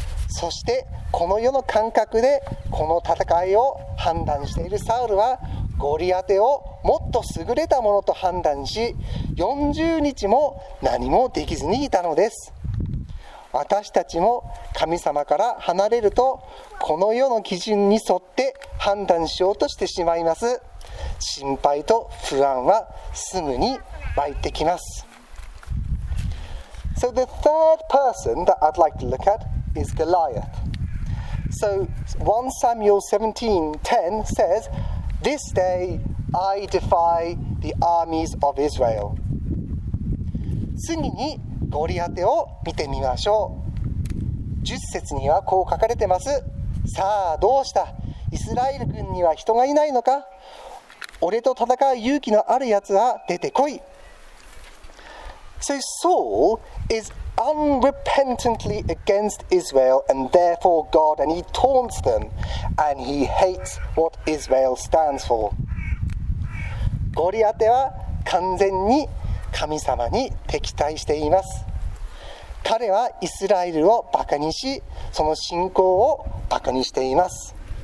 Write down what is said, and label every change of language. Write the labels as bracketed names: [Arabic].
[Japanese] そしてこの世の感覚でこの戦いを判断しているサウルはゴリアテをもっと優れたものと判断し、40日も何もできずにいたのです。私たちも神様から離れると、この世の基準に沿って判断しようとしてしまいます。心配と不安はすぐに湧いてきます。 [English] So the third person that I'd like to look at is Goliath. So 1 Samuel 17:10 says,This day I defy the armies of Israel. [Japanese] 次にゴリアテを見てみましょう。10節にはこう書かれてます。さあどうした？イスラエル軍には人がいないのか？俺と戦う勇気のあるやつは出てこい。 [English] So Saul is unrepentantly against Israel and therefore God, and he taunts them, and he hates what Israel stands for. [Japanese] ゴリアテは完全に神様に敵対しています。彼はイスラエルをバカにし、その信仰をバカにしています。